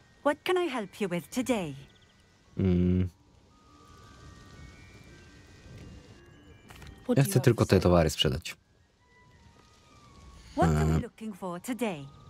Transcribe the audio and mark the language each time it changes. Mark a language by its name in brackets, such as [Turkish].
[English] What can I help you with today? [Polish] Ja chcę tylko te towary sprzedać. [English] What are we looking for today?